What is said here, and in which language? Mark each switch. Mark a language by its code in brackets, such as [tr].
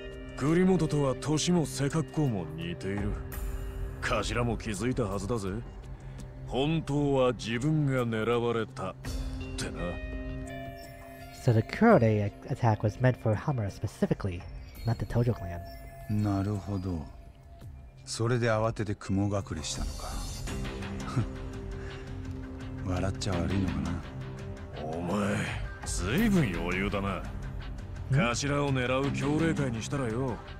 [ja] ゆうべ殺された栗本の写真だがよ。うぅ、どぎついな。うん。両目を撃ち抜かれてる。ただ、見せたいのは顔じゃねえ。服装の方だ。ん?この服が?ホワイトラックス?なんだって?おう。昨日は、頭も、こんなジャージを着てたよ。え?栗本とは歳も背格好も似ている。 [en] So the Kurode attack was meant for Hamura specifically, not the Tojo clan. [ja] なるほど。それで慌てて雲隠れしたのか。笑っちゃ悪いのかな。お前、随分余裕だな。頭を狙う強霊界にしたらよ。